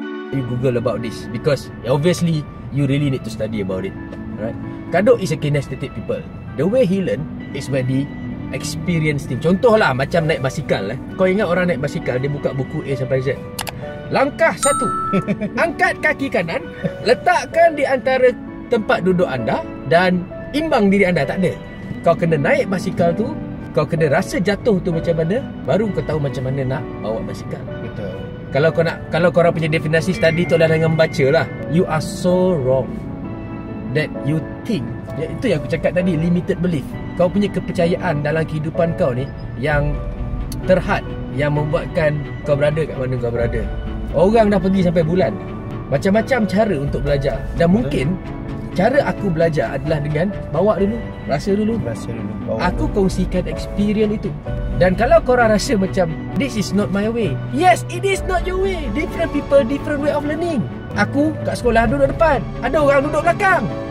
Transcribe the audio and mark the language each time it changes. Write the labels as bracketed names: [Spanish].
[English] You Google about this because obviously you really need to study about it, right? Kadok is a kinesthetic people. The way he learn is when he experience thing. [Malay] Contohlah macam naik basikal lah. Kau ingat orang naik basikal dia buka buku A sampai Z. Langkah satu, angkat kaki kanan, letakkan di antara tempat duduk anda dan imbang diri anda. Tak ada. Kau kena naik basikal tu, kau kena rasa jatuh tu macam mana, baru kau tahu macam mana nak bawa basikal. Betul. Kalau kau nak, kalau korang punya definisi study tu adalah dengan baca lah. [English] You are so wrong that you think. [Malay] Ya, itu yang aku cakap tadi, limited belief. Kau punya kepercayaan dalam kehidupan kau ni yang terhad, yang membuatkan kau berada kat mana kau berada. Orang dah pergi sampai bulan. Macam-macam cara untuk belajar. Dan mungkin cara aku belajar adalah dengan bawa dulu, rasa dulu, rasa dulu. Aku kongsikan experience itu. Dan kalau korang rasa macam [English] this is not my way, yes it is not your way. Different people, different way of learning. [Malay] Aku kat sekolah duduk depan, ada orang duduk belakang.